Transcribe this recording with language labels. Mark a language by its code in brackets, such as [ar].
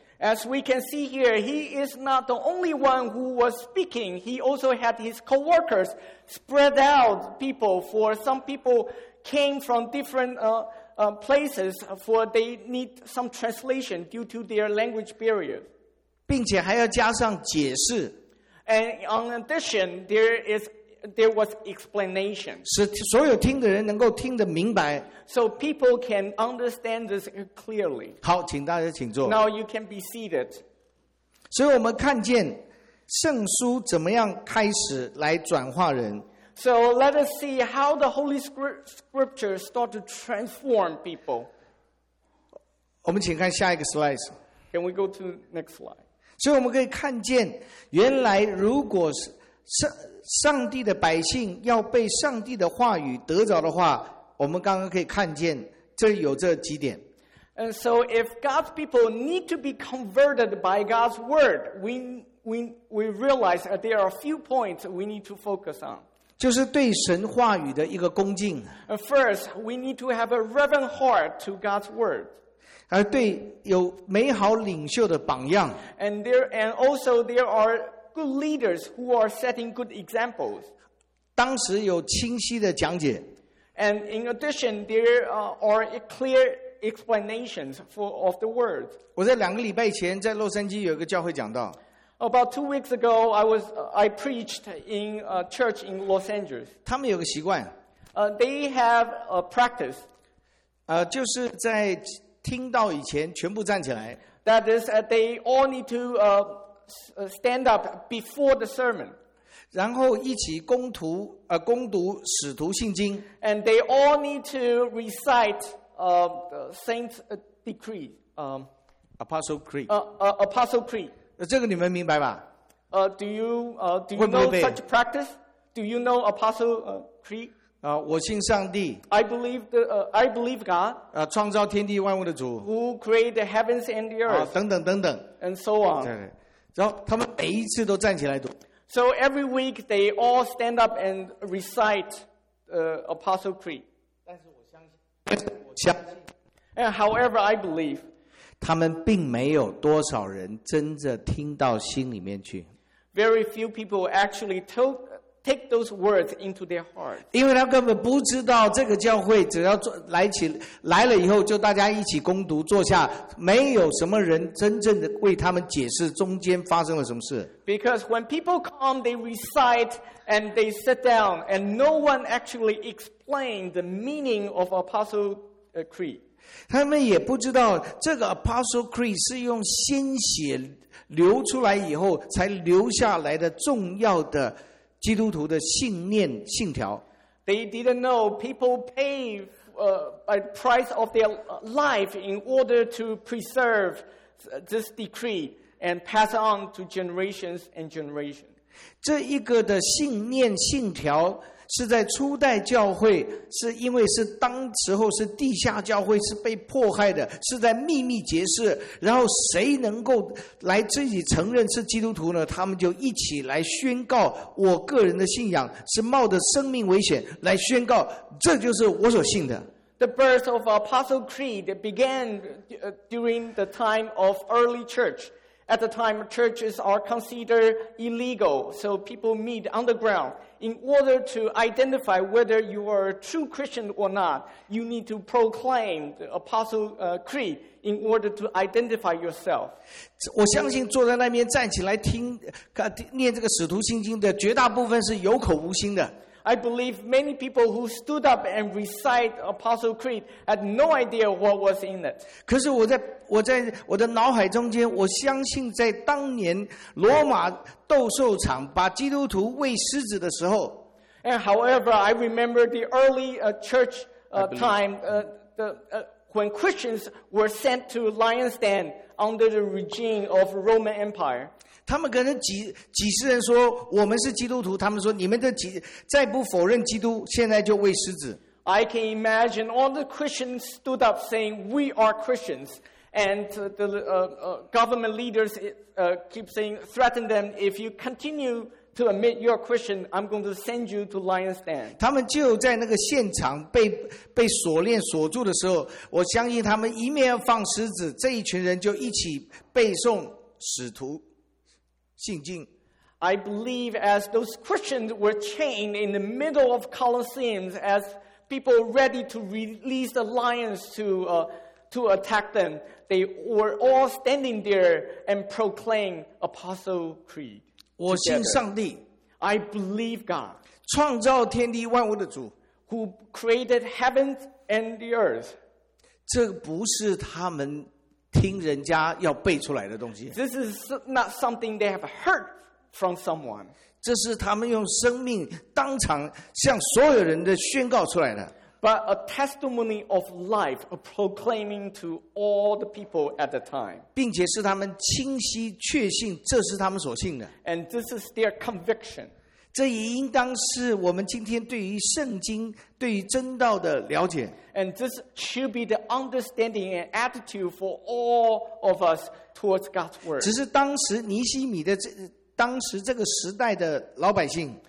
[en] As we can see here, he is not the only one who was speaking. He also had his co-workers spread out people. For some people came from different places, for they need some translation due to their language barrier. [zh] 并且还要加上解释。 [en] And in addition, there was explanation. [zh] 使所有听的人能够听得明白。 [en] So people can understand this clearly. [zh] 好，请大家请坐。 [en] Now you can be seated. [zh] 所以我们看见圣书怎么样开始来转化人。 [en] So let us see how the Holy Scriptures start to transform people. [zh] 我们请看下一个 slide. [en] Can we go to the next slide? [zh] 所以我们可以看见，原来如果上帝的百姓要被上帝的话语得着的话，我们刚刚可以看见这有这几点。 [en] And so if God's people need to be converted by God's word, we realize that there are a few points we need to focus on. [zh] 就是对神话语的一个恭敬。 [en] First, we need to have a reverent heart to God's word. [zh] 而对有美好领袖的榜样。 [en] And also there are good leaders who are setting good examples. [zh] 当时有清晰的讲解。 [en] And in addition, there are clear explanations of the word. [zh] 我在两个礼拜前在洛杉矶有一个教会讲到。 [en] About 2 weeks ago, I preached in a church in Los Angeles. [zh] 他们有个习惯。 [en] They have a practice. [zh] 就是在听到以前全部站起来。 [en] That is, they all need to stand up before the sermon. [zh] 然后一起攻读使徒信经。 [en] And they all need to recite the Saint's Decree. Apostle Creed. Apostle Creed. [zh] 这个你们明白吧？ [en] Do you know such practice? Do you know Apostle Creed? [zh] 我信上帝。 [en] I believe God. [zh] 创造天地万物的主。 [en] Who created the heavens and the earth？ [zh] 等等等等。 [en] And so on. [zh] 对。然后他们每一次都站起来读。 [en] So every week they all stand up and recite Apostle Creed. [zh] 但是我相信。 [en] And however, I believe. [zh] 他们并没有多少人真的听到心里面去。 [en] Very few people actually take those words into their heart. [zh] 因为他根本不知道这个教会只要来了以后就大家一起攻读坐下，没有什么人真正的为他们解释中间发生了什么事。 [en] Because when people come, they recite and they sit down, and no one actually explained the meaning of Apostle Creed. [zh] 他们也不知道这个 Apostle Creed 是用鲜血流出来以后才留下来的重要的基督徒的信念信条。 [en] They didn't know people pay by the price of their life in order to preserve this decree and pass on to generations and generations. [zh] 这一个的信念信条是在初代教会，是因为是当时候是地下教会是被迫害的，是在秘密结社，然后谁能够来自己承认是基督徒呢，他们就一起来宣告我个人的信仰是冒着生命危险来宣告，这就是我所信的。 [en] The birth of Apostle Creed began during the time of early church. At the time, churches are considered illegal, so people meet underground. In order to identify whether you are a true Christian or not, you need to proclaim the Apostle Creed in order to identify yourself. [zh] 我相信坐在那边站起来听念这个使徒信经的绝大部分是有口无心的。 [en] I believe many people who stood up and recite Apostle Creed had no idea what was in it. [zh] 可是我在我的脑海中间，我相信在当年罗马斗兽场把基督徒喂狮子的时候。 [en] And however, I remember the early church time, when Christians were sent to lion's den under the regime of Roman Empire. [zh] 他们可能几十人说我们是基督徒，他们说你们的再不否认基督，现在就喂狮子。 [en] I can imagine all the Christians stood up saying, "We are Christians." And the government leaders keep saying, threaten them, if you continue to admit you're a Christian, I'm going to send you to lion's den. [zh] 他们就在那个现场被锁链锁住的时候，我相信他们一面放狮子，这一群人就一起背诵使徒信经。 [en] I believe as those Christians were chained in the middle of Colosseum, as people ready to release the lions to attack them, they were all standing there and proclaimed Apostle Creed. [zh] 我信上帝。 [en] I believe God. [zh] 创造天地万物的主。 [en] Who created heavens and the earth. [zh] 这不是他们听人家要背出来的东西。 [en] This is not something they have heard from someone. [zh] 这是他们用生命当场向所有人的宣告出来的。 [en] But a testimony of life, a proclaiming to all the people at the time. [zh] 并且是他们清晰确信这是他们所信的。 [en] And this is their conviction. [zh] 这也应当是我们今天对于圣经、对于真道的了解。 [en] And this should be the understanding and attitude for all of us towards God's word. [zh] 只是当时尼西米的当时这个时代的老百姓。